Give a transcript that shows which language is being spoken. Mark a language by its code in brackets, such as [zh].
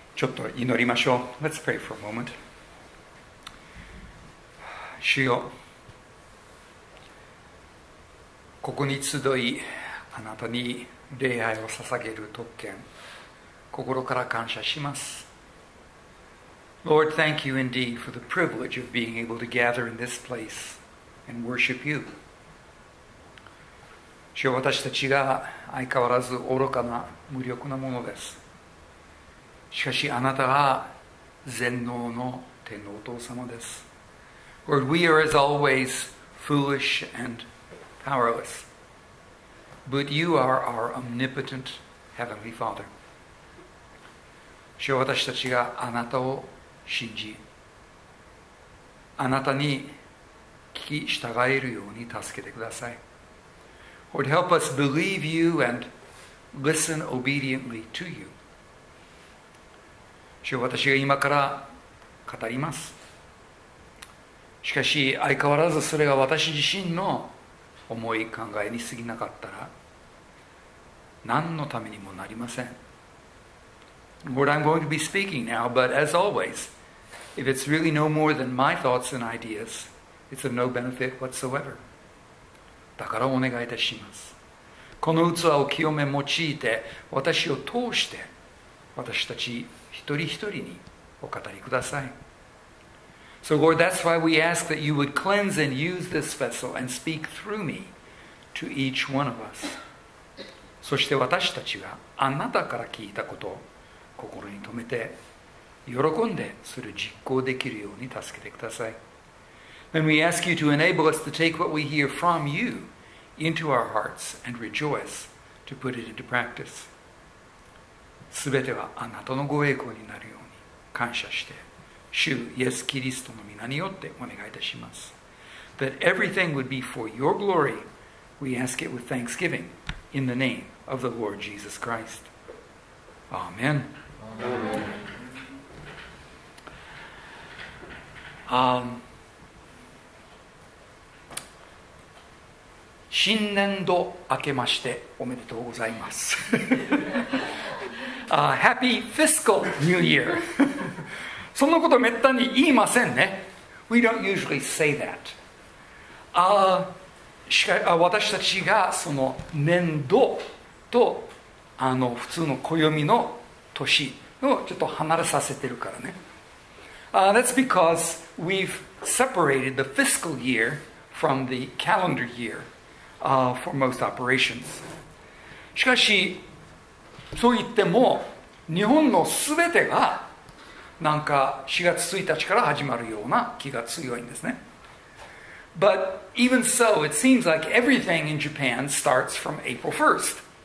[ja] ちょっと祈りましょう。 [en] Let's pray for a moment. [ja] 主よ、ここに集い、あなたに礼拝を捧げる特権、心から感謝します。 [en] Lord, thank you indeed for the privilege of being able to gather in this place and worship you. [ja] 主よ、私たちが相変わらず愚かな、無力なものです。しかしあなたは全能の天のお父様です。 [en] Lord, we are as always foolish and powerless, but you are our omnipotent Heavenly Father. [ja] 主よ、私たちがあなたを信じ、あなたに聞き従えるように助けてください。 [en] Lord, help us believe you and listen obediently to you. [ja] 主よ、私が今から語ります。しかし、相変わらずそれが私自身の思い考えに過ぎなかったら、何のためにもなりません。 [en] Lord, I'm going to be speaking now, but as always, if it's really no more than my thoughts and ideas, it's of no benefit whatsoever. [ja] だからお願いいたします。この器を清め用いて、私を通して、私たち一人一人にお語りください。 [en] So Lord, that's why we ask that you would cleanse and use this vessel and speak through me to each one of us. [ja] そして私たちはあなたから聞いたことを心に留めて、喜んでそれを実行できるように助けてください。 [en] Then we ask you to enable us to take what we hear from you into our hearts and rejoice to put it into practice. [ja] すべてはあなたのご栄光になるように感謝して、主イエス・キリストの御名によってお願いいたします。 [en] That everything would be for your glory, we ask it with thanksgiving in the name of the Lord Jesus Christ. Amen. Amen. [ja] 新年度明けましておめでとうございます。 [en] Happy fiscal new year. [ja] そのことめったに言いませんね。 [en] We don't usually say that. [ja] しか、私たちがその年度と普通の暦の年をちょっと離れさせてるからね。 [en] That's because we've separated the fiscal year from the calendar year, for most operations. [ja] しかし、そう言っても日本のすべてがなんか4月1日から始まるような気が強いんですね。 [en] But even so, it seems like everything in Japan starts from April 1st.